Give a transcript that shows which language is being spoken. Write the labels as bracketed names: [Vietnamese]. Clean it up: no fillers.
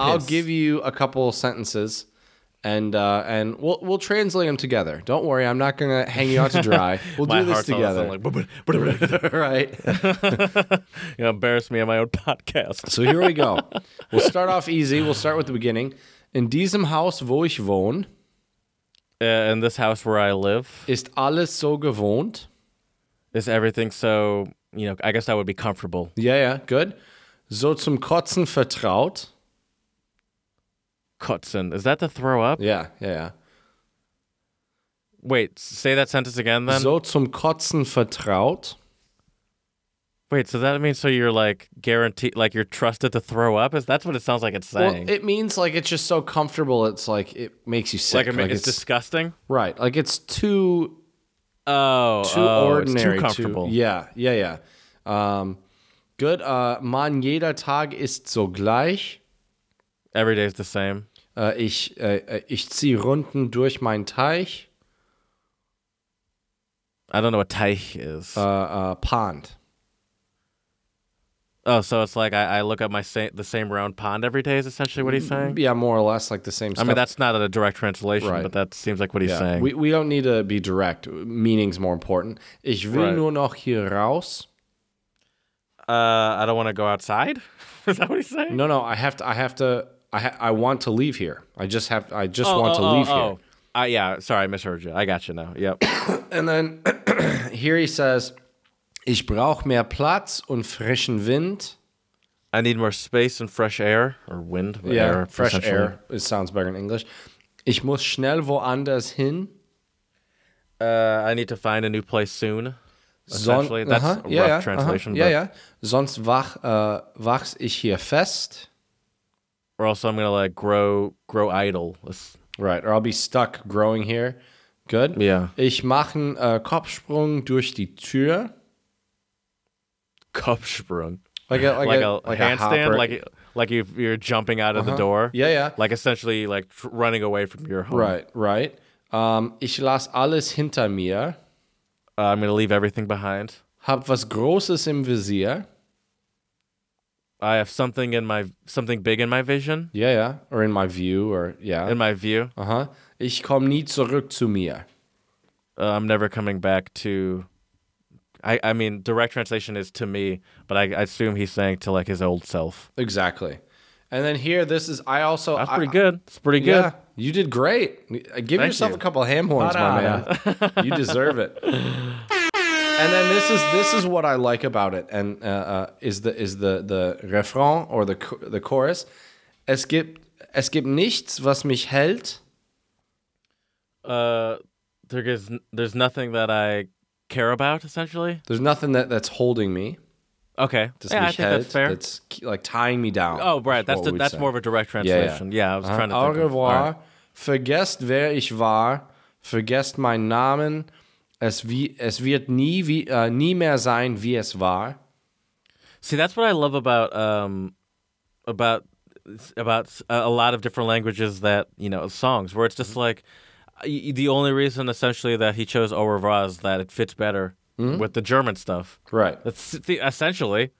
[English] I'll give you a couple of sentences, and we'll translate them together. Don't worry, I'm not gonna hang you out to dry. We'll do this together. Like, right? You embarrass me on my own podcast. So here we go. We'll start off easy. We'll start with the beginning. [German] In diesem Haus, wo ich wohne. [English] In this house where I live. [German] Ist alles so gewohnt? [English] Is everything so, you know, I guess that would be comfortable. Yeah, good. [German] So zum Kotzen vertraut. [English] Kotzen, is that the throw up? Yeah. Wait, say that sentence again then. [German] So zum Kotzen vertraut. [English] Wait, so that means so you're like guaranteed, like you're trusted to throw up? That's what it sounds like it's saying. Well, it means like it's just so comfortable, it's like it makes you sick. Like it's disgusting? Right, like it's too... ordinary. It's too comfortable. Yeah. Good. [German] Man, jeder Tag ist so gleich. [English] Every day is the same. [German] Ich zieh Runden durch mein Teich. [English] I don't know what Teich is. Pond. Oh, so it's like I look at the same round pond every day is essentially what he's saying? Yeah, more or less like the same stuff. I mean, that's not a direct translation, right. But that seems like what he's saying. We don't need to be direct. Meaning's more important. [German] Ich will nur noch hier raus. [English] I don't want to go outside? Is that what he's saying? No, I want to leave here. I just want to leave here. Yeah, sorry, I misheard you. I got you now. Yep. And then here he says... [German] Ich brauche mehr Platz und frischen Wind. [English] I need more space and fresh air or wind. Yeah, air, fresh air. It sounds better in English. [German] Ich muss schnell woanders hin. [English] I need to find a new place soon. That's a rough translation. Uh-huh. Yeah. [German] Sonst wachs ich hier fest. [English] Or also, I'm gonna like grow idle. Right, or I'll be stuck growing here. Good. Yeah. [German] Ich mache einen Kopfsprung durch die Tür. Kopfsprung. [English] Like a handstand? Like you're jumping out of the door? Yeah. Like essentially like running away from your home. Right. [German] Ich lass alles hinter mir. [English] I'm going to leave everything behind. [German] Hab was Großes im Visier. [English] I have something big in my vision. Yeah. Or in my view. In my view. Uh-huh. [German] Ich komm nie zurück zu mir. [English] I'm never coming back to... I mean, direct translation is to me, but I assume he's saying to like his old self. Exactly. And then here, That's pretty good. It's pretty good. Yeah, you did great. Give yourself a couple of ham horns, my man. You deserve it. And then this is what I like about it, and is the refrain or the chorus. Es gibt nichts, was mich hält. There's nothing that I care about, essentially. There's nothing that's holding me. Okay. I think that's fair. It's like tying me down. Oh, right. That's more of a direct translation. Yeah, I was trying to think. [French] Au revoir. [English] Right. [German] Vergesst, wer ich war. Vergesst meinen Namen. Es wird nie mehr sein, wie es war. [English] See, that's what I love about a lot of different languages that, you know, songs, where it's just like, the only reason essentially that he chose au revoir is that it fits better with the German stuff. Right. Essentially.